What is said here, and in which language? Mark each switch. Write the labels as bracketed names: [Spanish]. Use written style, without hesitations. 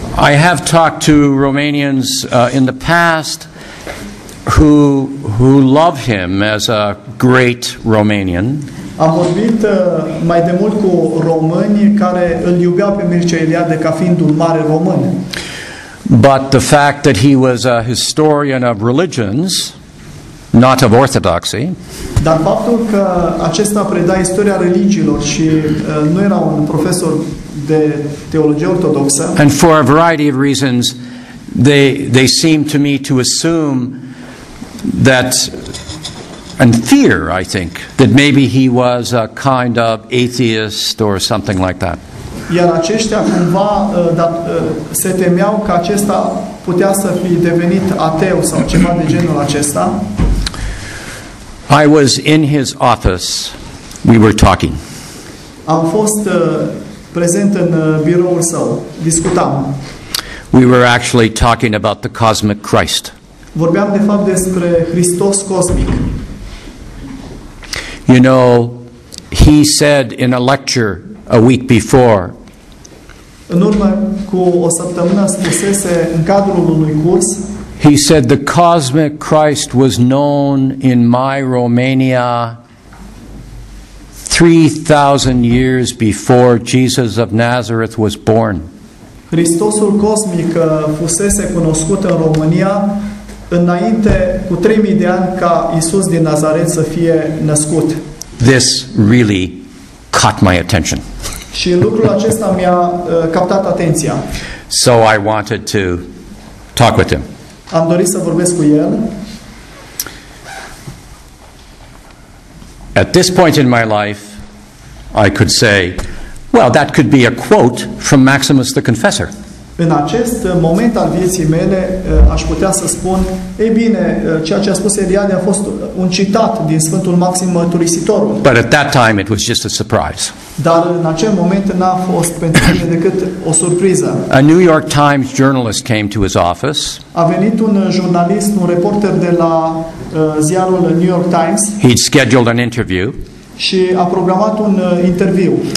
[English] I have talked to Romanians in the past who love him as a great Romanian. [Romanian] Am vorbit mai de mult cu români care îl iubeau pe Mircea Eliade ca fiind un mare român. [English] But the fact that he was a historian of religions, not of orthodoxy. [Romanian] Dar faptul că acesta preda istoria religiilor și nu era un profesor de teologie ortodoxă. [English] And for a variety of reasons, they seemed to me to assume that and fear, I think, that maybe he was a kind of atheist or something like that. [Romanian] Iar aceștia cumva se temeau că acesta putea să fi devenit ateu sau ceva de genul acesta. [English] I was in his office. We were talking. [Romanian] Am fost prezent în biroul său. Discutam. [English] We were actually talking about the cosmic Christ. [Romanian] Vorbeam de fapt despre Hristos cosmic. [English] You know, he said in a lecture a week before. [Romanian] În urmă cu o săptămână spusese în cadrul unui curs. [English] He said the cosmic Christ was known in my Romania 3,000 years before Jesus of Nazareth was born. [Romanian] Hristosul cosmic fusese cunoscut în România înainte cu 3000 de ani ca Iisus din Nazaret să fie născut. [English] This really caught my attention. [Romanian] Și lucrul acesta mi-a captat atenția. [English] So I wanted to talk with him. [Romanian] Am dorit să vorbesc cu el. [English] At this point in my life, I could say, well, that could be a quote from Maximus the Confessor. [Romanian] În acest moment al vieții mele, aș putea să spun, ei bine, ceea ce a spus Eliade a fost un citat din Sfântul Maxim Mărturisitorul. [English] But at that time, it was just a surprise. [Romanian] Dar în acel moment n-a fost pentru mine decât o surpriză. [English] A New York Times journalist came to his office. [Romanian] A venit un jurnalist, un reporter de la ziarul New York Times. [English] He'd scheduled an interview. [Romanian] Și a programat un interviu.